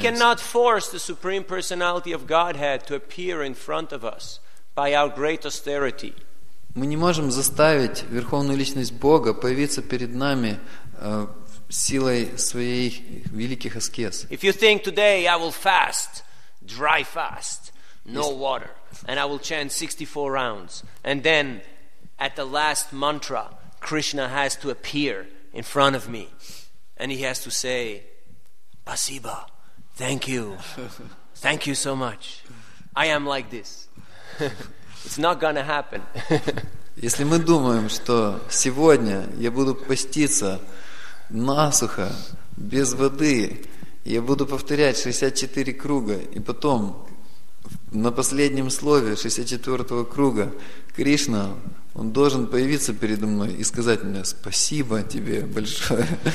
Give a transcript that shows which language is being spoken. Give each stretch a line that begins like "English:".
English: We cannot force the supreme personality of Godhead to appear in front of us by our great austerity.
Russian: Мы не можем заставить верховную личность Бога появиться перед нами силой своих великих аскез.
English: If you think today I will fast, dry fast, no water, and I will chant 64 rounds, and then at the last mantra, Krishna has to appear in front of me, and he has to say,
Russian: "Спасибо,
English: thank you so much. I am like this." It's not gonna happen.
Russian: Если мы думаем, что сегодня я буду поститься насухо, без воды, я буду повторять 64 круга, и потом на последнем слове 64-го круга Кришна, он должен появиться передо мной и сказать мне спасибо тебе большое.